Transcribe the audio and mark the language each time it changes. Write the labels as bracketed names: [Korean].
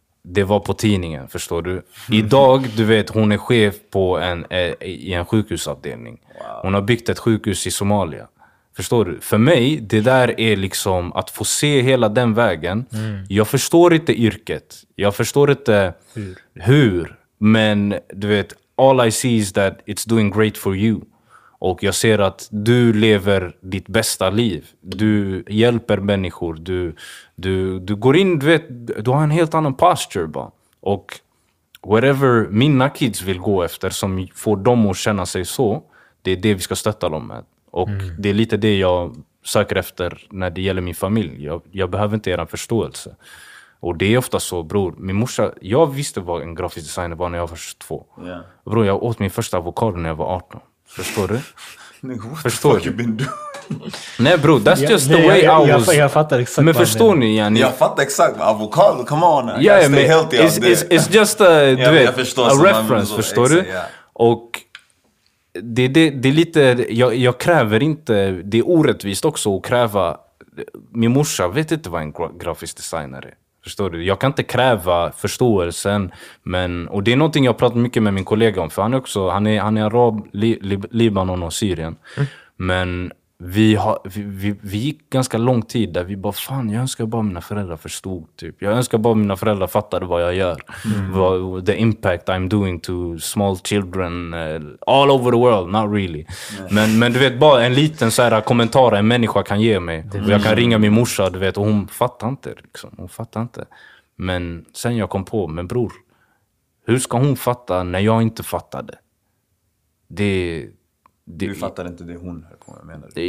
[Swedish] Det var på tidningen, förstår du? Idag, du vet, hon är chef på en sjukhusavdelning. [English] Wow. [Swedish] Hon har byggt ett sjukhus i Somalia. Förstår du? För mig, det där är liksom att få se hela den vägen. Mm. Jag förstår inte yrket. Jag förstår inte hur. Men du vet, [English] all I see is that it's doing great for you. [Swedish] Och jag ser att du lever ditt bästa liv. Du hjälper människor. Du går in, du vet, du har en helt annan posture bara. Och whatever mina kids vill gå efter som får dem att känna sig så, det är det vi ska stötta dem med. Och det är lite det jag söker efter när det gäller min familj. Jag behöver inte era förståelse. Och det är ofta så, bror. Min morsa, jag visste vad en grafisk designer var när jag var 22. [English] Yeah. [Swedish] Bror, jag åt min första avokado när jag var 18. Förstår du? Förstår du? [English] Been doing? [Swedish] Nej, bror, [English] that's just the way I was. [Swedish] Jag fattar exakt. Men förstår ni, Jani? Jag fattar exakt. [English] Avokado, come on. Yeah, stay healthy. It's just a reference, [Swedish] förstår du? [English] Yeah. [Swedish] Och det är lite, jag kräver inte, det är orättvist också att kräva, min morsa vet inte vad en grafisk designer är, förstår du? Jag kan inte kräva förståelsen, men, och det är någonting jag pratat mycket med min kollega om, för han är också, han är arab, Libanon och Syrien, men vi gick ganska lång tid där vi bara, fan, jag önskar bara mina föräldrar förstod, typ. Jag önskar bara mina föräldrar fattade vad jag gör. Mm. [English] The impact I'm doing to small children all over the world. Not really. Yes. [Swedish] Men du vet, bara en liten så här kommentar en människa kan ge mig. Mm. Jag kan ringa min morsa, du vet, och hon fattar inte. Liksom. Hon fattar inte. Men sen jag kom på, men bror, hur ska hon fatta när jag inte fattade? Det, du fattar inte det hon höll på med, menar du?